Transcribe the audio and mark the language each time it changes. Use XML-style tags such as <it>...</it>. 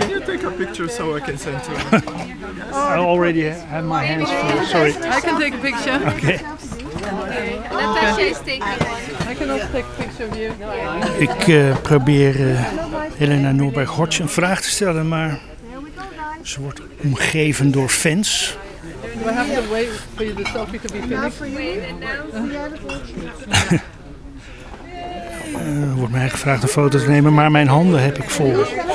<en>Can you take a picture so I can send to you? I already have my hands full. Sorry. I can take a picture. Okay. Natasha is taking. I can also take a picture of you.</en> <nl>Ik probeer Helena Norberg Hodge een vraag te stellen, maar ze wordt omgeven door fans.</nl> <en>We have to wait for the topic to be finished.</en> <nl>Wordt mij gevraagd een foto te nemen, maar mijn handen heb ik vol.</nl>